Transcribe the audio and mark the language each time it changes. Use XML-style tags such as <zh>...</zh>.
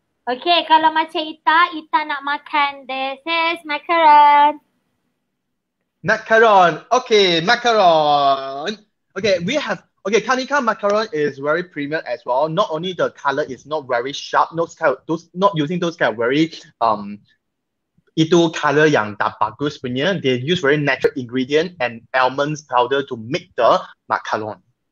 <ms>Okay, kalau macam Eyta, Eyta nak makan. This is macaron.</ms> <en>Macaron. Okay, macaron. Okay, we have... Okay, Kanika macaron is very premium as well. Not only the color is not very sharp, not using those kind of very...</en> <ms>itu color yang tak bagus punya.</ms> <en>They use very natural ingredient and almonds powder to make the macaron.</en>